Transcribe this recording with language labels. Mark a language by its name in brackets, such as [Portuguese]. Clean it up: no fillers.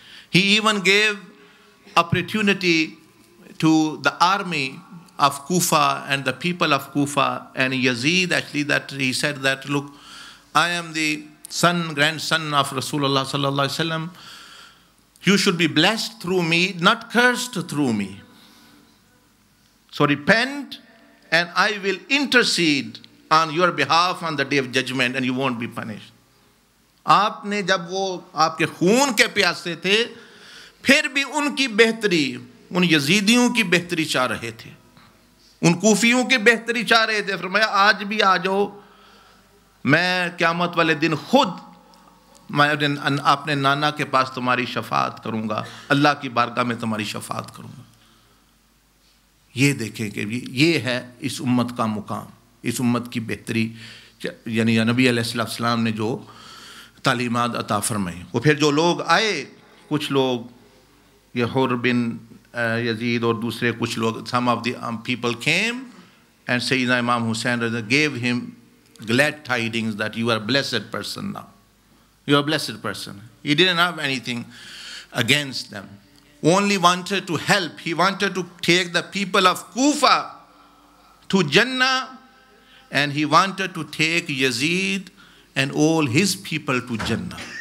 [English] He even gave opportunity to the army of Kufa and the people of Kufa and Yazid, actually, that he said that, look, I am the son, grandson of Rasulullah sallallahu alaihi wasallam. You should be blessed through me, not cursed through me. So repent, and I will intercede on your behalf on the day of judgment, and you won't be punished. [Hindi] आपने जब वो आपके खून के प्यासे थे, फिर भी उनकी बेहतरी, उन यजीदियों की बेहतरी चाह रहे थे, उन कूफियों की बेहतरी चाह रहे थे. फरमाया, आज भी आ जाओ, मैं क़यामत वाले दिन खुद मैं अपने नाना के पास तुम्हारी शफात करूँगा, अल्लाह की बारगाह में तुम्हारी शफात करूँगा. ये देखें कि ये है इस उम्मत का मुकाम, इस उम्मत की बेहतरी, यानी नबी अलैहिस्सलाम ने जो तालीमात अता फरमाई. वो फिर जो लोग आए, कुछ लोग [English] यहूर बिन यजीद और दूसरे कुछ लोग, some of the people came and सैयदना Imam Hussain gave him glad tidings that you are a blessed person now. You are a blessed person. He didn't have anything against them. Only wanted to help. He wanted to take the people of Kufa to Jannah, and he wanted to take Yazid and all his people to Jannah.